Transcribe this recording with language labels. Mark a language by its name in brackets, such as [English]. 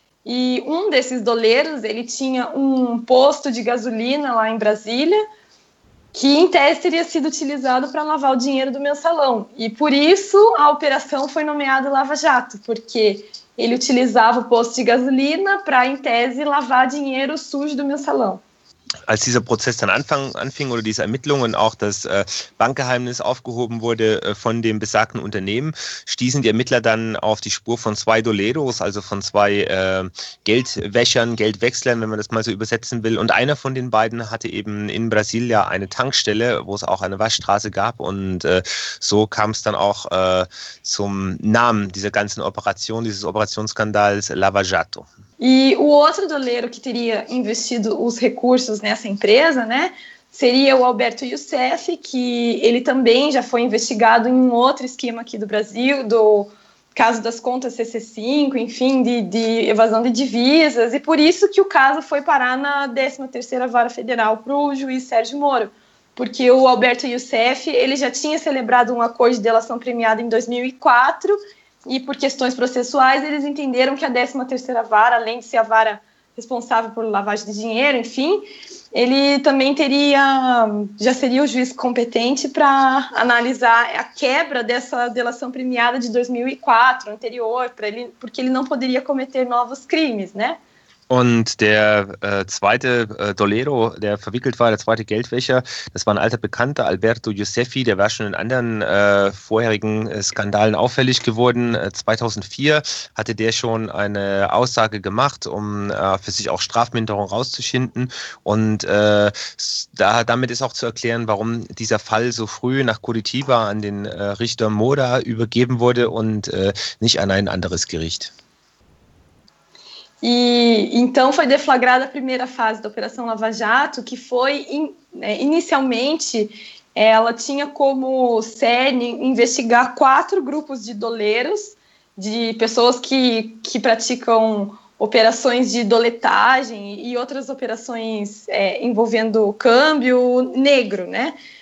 [Portuguese] E um desses doleiros, ele tinha um posto de gasolina lá em Brasília, que em tese teria sido utilizado para lavar o dinheiro do Mensalão. E por isso a operação foi nomeada Lava Jato, porque ele utilizava o posto de gasolina para, em tese, lavar dinheiro sujo do Mensalão. [German] Als dieser Prozess dann anfing oder diese Ermittlungen, auch das Bankgeheimnis aufgehoben wurde von dem besagten Unternehmen, stießen die Ermittler dann auf die Spur von zwei Doleros, also von zwei Geldwäschern, Geldwechslern, wenn man das mal so übersetzen will. Und einer von den beiden hatte eben in Brasilia eine Tankstelle, wo es auch eine Waschstraße gab. Und so kam es dann auch zum Namen dieser ganzen Operation, dieses Operationsskandals Lava Jato. [Portuguese] E o outro doleiro que teria investido os recursos nessa empresa, né, seria o Alberto Youssef, que ele também já foi investigado em um outro esquema aqui do Brasil, do caso das contas CC5, enfim, de evasão de divisas, e por isso que o caso foi parar na 13ª Vara Federal para o juiz Sérgio Moro, porque o Alberto Youssef, ele já tinha celebrado um acordo de delação premiada em 2004, e por questões processuais, eles entenderam que a 13ª Vara, além de ser a vara responsável por lavagem de dinheiro, enfim, ele também já seria o juiz competente para analisar a quebra dessa delação premiada de 2004, anterior, porque ele não poderia cometer novos crimes, né? [German] Und der zweite Dolero, der verwickelt war, der zweite Geldwäscher, das war ein alter Bekannter, Alberto Youssefi, der war schon in anderen vorherigen Skandalen auffällig geworden. 2004 hatte der schon eine Aussage gemacht, um für sich auch Strafminderung rauszuschinden. Und damit ist auch zu erklären, warum dieser Fall so früh nach Curitiba an den Richter Moda übergeben wurde und nicht an ein anderes Gericht. [Portuguese] E então foi deflagrada a primeira fase da Operação Lava Jato, que foi, inicialmente, ela tinha como cerne investigar quatro grupos de doleiros, de pessoas que praticam operações de doletagem e outras operações envolvendo câmbio negro, né?